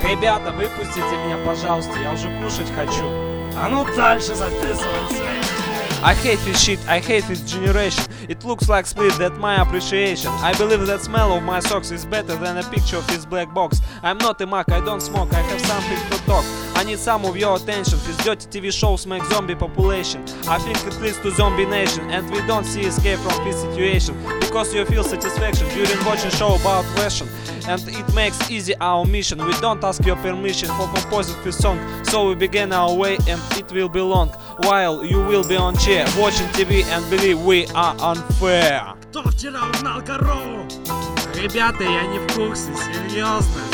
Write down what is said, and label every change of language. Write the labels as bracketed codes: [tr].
[ru] Ребята, выпустите меня, пожалуйста, я уже кушать хочу. А ну дальше записывайся. [en] I hate this shit, I hate this generation. It looks like split, that my appreciation. I believe that smell of my socks is better than a picture of his black box. I'm not a mac, I don't smoke, I have something to talk. I need some of your attention, his dirty TV shows make zombie population. I think it leads to zombie nation, and we don't see escape from this situation. Because you feel satisfaction during watching show about fashion. And it makes easy our mission. We don't ask your permission for composing this song. So we begin our way and it will be long. While you will be on chair watching TV and believe we are unfair. [ru] Кто вчера угнал корову? Ребята, я не в курсе, серьезно.